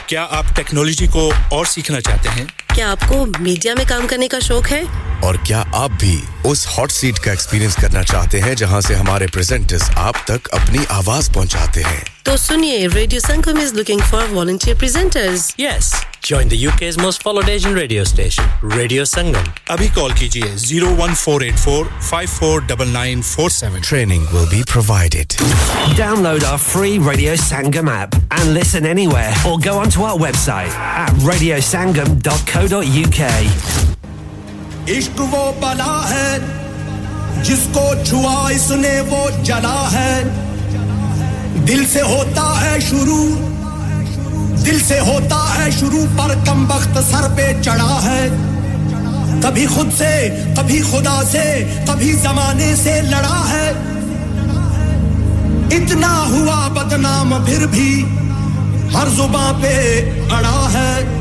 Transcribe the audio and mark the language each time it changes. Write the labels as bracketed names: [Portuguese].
[Hindi] क्या आप टेक्नोलॉजी को और सीखना चाहते हैं? क्या आपको मीडिया में काम करने का शौक है? और क्या आप भी उस हॉट सीट का एक्सपीरियंस करना चाहते हैं जहां से हमारे प्रेजेंटर्स आप तक अपनी आवाज पहुंचाते हैं? तो सुनिए, [English] Radio Sangam is looking for volunteer presenters. Yes, join the UK's most followed Asian radio station, Radio Sangam. [Hindi] Abhi call kijiye 01484-549947. [English] Training will be provided. Download our free Radio Sangam app and listen anywhere, or go onto our website at radiosangam.co.uk. [Hindi] Ishq wo bala hai jisko chhua isne wo jala hai, dil se hota hai shuru, दिल से होता है शुरू, पर कमबख्त sir पे चढ़ा है, कभी खुद से कभी खुदा से कभी जमाने से लड़ा है, इतना हुआ बदनाम फिर भी हर जुबां पे अड़ा है।